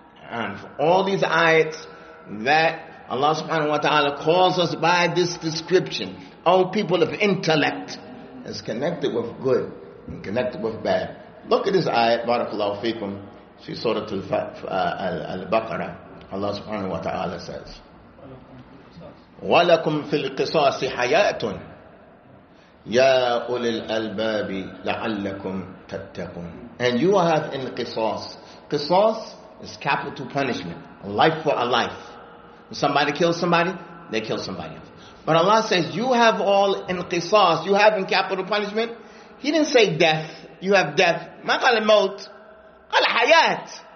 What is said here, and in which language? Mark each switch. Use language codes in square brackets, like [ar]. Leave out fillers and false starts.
[en] And for all these ayats that Allah subhanahu wa ta'ala calls us by this description. Oh, people of intellect. It's connected with good and connected with bad. Look at this ayat, barakallahu feekum. She Surah Al-Baqarah. Allah subhanahu wa ta'ala says, [ar] وَلَكُمْ فِي الْقِصَاصِ حَيَاتٌ يَا أُولِي الْأَلْبَابِ لَعَلَّكُمْ تَتَّقُونَ. [en] And you have in qisas. Qisas is capital punishment. Life for a life. Somebody kills somebody, they kill somebody else. But Allah says, you have all in qisas, you have in capital punishment. He didn't say death, you have death. [ar] Ma qal maut, qal hayat.